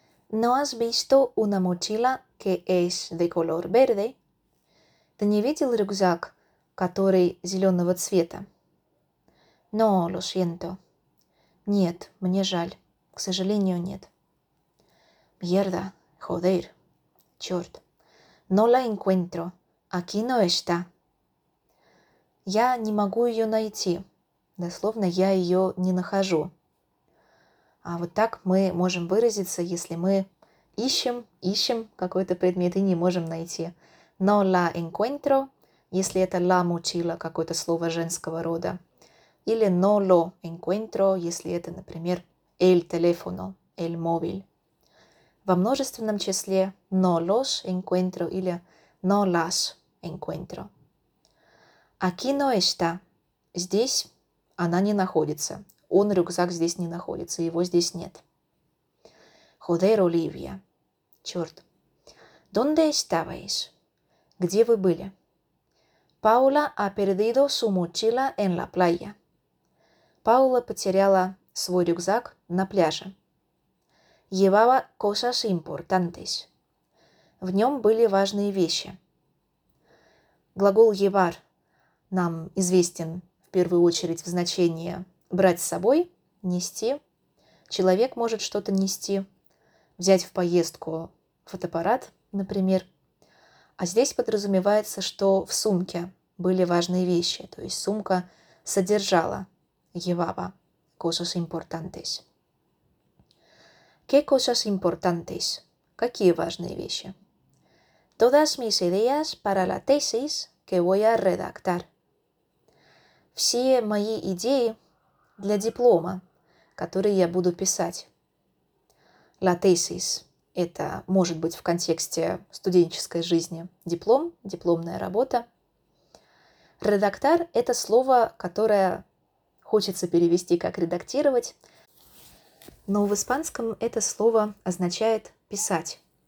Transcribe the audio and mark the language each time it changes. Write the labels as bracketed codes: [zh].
[es] ¿No has visto una mochila que es de color verde? [ru] ¿Ты не видел рюкзак, который зеленого цвета? [es] No, lo siento. [ru] Нет, мне жаль. К сожалению, нет. [es] Mierda, joder. [ru] Черт. [es] No la encuentro. Aquí no está. [ru] Я не могу ее найти. Дословно, я ее не нахожу. А вот так мы можем выразиться, если мы ищем какой-то предмет и не можем найти. [es] No la encuentro, [ru] если это [es] la mochila, [ru] какое-то слово женского рода. Или [es] no lo encuentro, [ru] если это, например, [es] el teléfono, el móvil. [ru] Во множественном числе [es] no los encuentro [ru] или [es] no las encuentro. Aquí no está. [ru] Здесь она не находится. Он рюкзак здесь не находится, его здесь нет. [es] Joder, Olivia. [ru] Черт. [es] ¿Dónde estabais? [ru] Где вы были? [es] Paula ha perdido su mochila en la playa. [ru] Paula потеряла свой рюкзак на пляже. [es] Llevaba cosas importantes. [ru] В нем были важные вещи. Глагол llevar нам известен в первую очередь в значении брать с собой, нести. Человек может что-то нести. Взять в поездку фотоаппарат, например. А здесь подразумевается, что в сумке были важные вещи. То есть сумка содержала [es] llevaba cosas importantes. ¿Qué cosas importantes? [ru] Какие важные вещи? [es] Todas mis ideas para la tesis que voy a redactar. [ru] Все мои идеи для диплома, который я буду писать. La thesis – это может быть в контексте студенческой жизни диплом, дипломная работа. Редактор – это слово, которое хочется перевести как «редактировать», но в испанском это слово означает «писать».